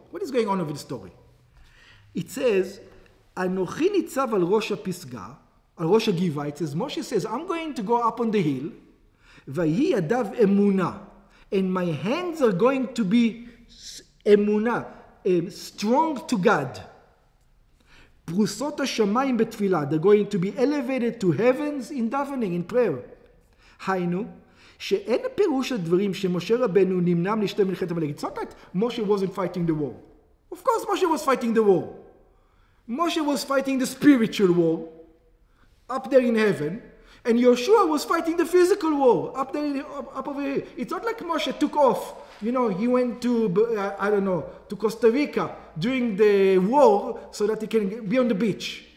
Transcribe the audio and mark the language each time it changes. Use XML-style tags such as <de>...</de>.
<en>What is going on over the story? It says,</en> <he>אנוכי ניצב על ראש הפסגה, על ראש הגבעה,</he> <en>it says, Moshe says, I'm going to go up on the hill,</en> <he>ויהי ידיו אמונה,</he> <en>and my hands are going to be אמונה, strong to God.</en> <he>פרוסות השמיים בתפילה,</he> <en>they're going to be elevated to heavens in davening, in prayer.</en> <he>היינו, שאין פירוש הדברים שמשה רבנו נמנע משתי מלחמת עמלק.</he> <en>It's not that Moshe wasn't fighting the war. Of course Moshe was fighting the war. Moshe was fighting the spiritual war up there in heaven, and Yeshua was fighting the physical war up there, up over here. It's not like Moshe took off. You know, he went to, to Costa Rica during the war so that he can be on the beach.</en>